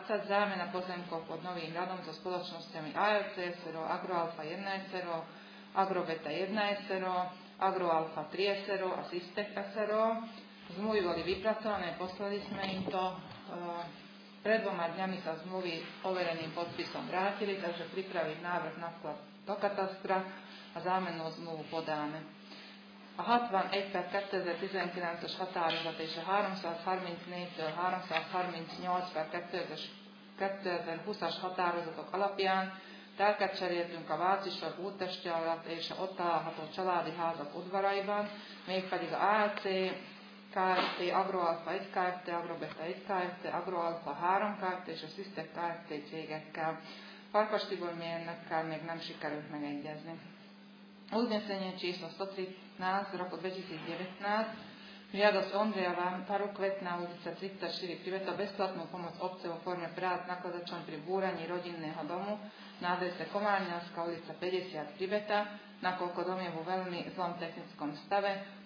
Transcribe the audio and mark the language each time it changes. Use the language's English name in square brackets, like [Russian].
[Slovak] Zámena pozemkov pod novým radom so spoločnosťami AOC SRO, Agroalfa 1 SRO, Agrobeta 1 SRO, Agroalfa 3 SRO a Systek SRO. Zmluvy boli vypracované, poslali sme im to. Pred dvoma dňami sa zmluvy overeným podpisom vrátili, takže pripraviť návrh na vklad do katastra a zámenu zmluvu podáme. [Hungarian] A 61/2019-as határozat és a 334/338/2020-as határozatok alapján telket cseréltünk a Vácisok útesti alatt és a ott található családi házak udvaraiban, mégpedig a AC, Kft. Agroalfa 1 Kft., Agrobeta 1 Kft., Agroalfa 3 Kft. És a Systek Kft. Cégekkel. Farkas Tibor mérnökkel még nem sikerült megegyezni. [Slovak] Uznesenie číslo 113 roku 2019. Žiadosť Ondreja Vantaru, Kvetná ulica 34, Priveta bezplatnú pomoc obce vo forme prác nakladačom pri búraní rodinného domu na adrese Komárňanská ulica 50, Priveta, nakoľko dom je vo veľmi zlom technickom stave.